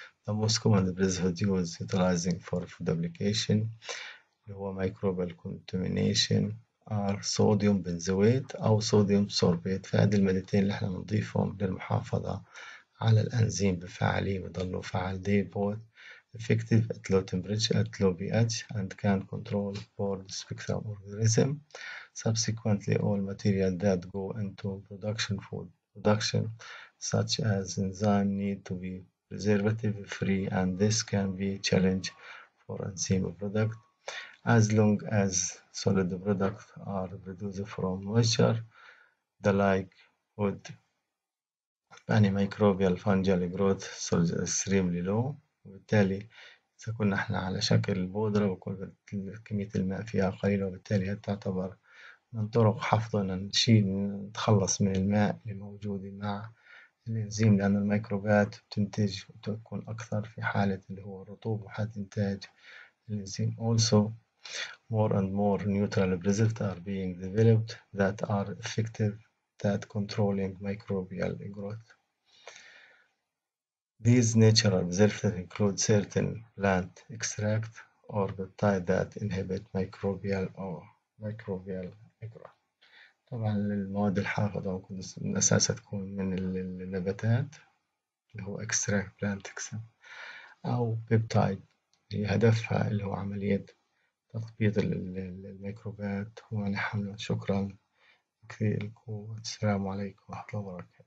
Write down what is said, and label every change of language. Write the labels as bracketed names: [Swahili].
[English] The most common preservatives utilizing for food application [Arabic] اللي هو [English] microbial contamination are sodium benzoate او sodium sorbate. [Arabic] فهذه المادتين اللي احنا بنضيفهم للمحافظة على الانزيم بفعالية بيضلوا فعال. [English] They both effective at low temperature at low pH and can control broad spectrum organism. Subsequently, all material that go into production food production such as enzyme need to be preservative free, and this can be a challenge for enzyme product. As long as solid products are produced from moisture, the like would any microbial fungal growth so is extremely low. [Arabic] وبالتالي إذا كنا إحنا على شكل البودرة بكون كمية الماء فيها قليلة، وبالتالي هي تعتبر من طرق حفظ إن نشيل نتخلص من الماء الموجود مع الإنزيم، لأن الميكروبات بتنتج وتكون أكثر في حالة اللي هو الرطوبة حتى إنتاج الإنزيم. [English] Also more and more neutral preservatives are being developed that are effective at controlling microbial growth. These natural preservatives include certain plant extract or peptide that inhibit microbial or microbial growth. [Arabic] طبعا المواد الحافظة ممكن من أساسها تكون من النباتات اللي هو [English] extract plant extract [Arabic] أو peptide اللي هدفها اللي هو عملية تطبيق الميكروبات ومنعها منهم. شكرا كثير لكم والسلام عليكم ورحمة الله وبركاته.